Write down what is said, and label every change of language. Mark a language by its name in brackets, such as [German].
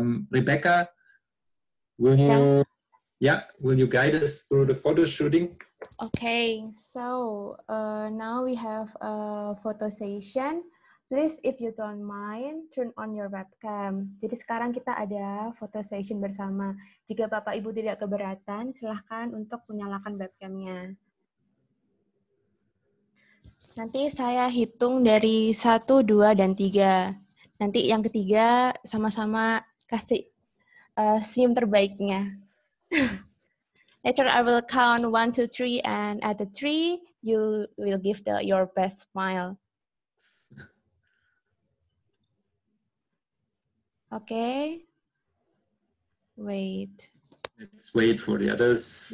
[English] Rebecca, will you guide us through the photo shooting? Okay, so now we have a photo session. Please, if you don't mind, turn on your webcam. [Indonesian] Jadi sekarang kita ada photo session bersama. Jika Bapak Ibu tidak keberatan, silahkan untuk menyalakan webcamnya. Nanti saya hitung dari 1, 2, dan 3. Nanti yang ketiga sama-sama kasih senyum terbaiknya. [English] Later I will count 1, 2, 3, and at the 3, you will give your best smile. Okay. Wait. Let's wait for the others.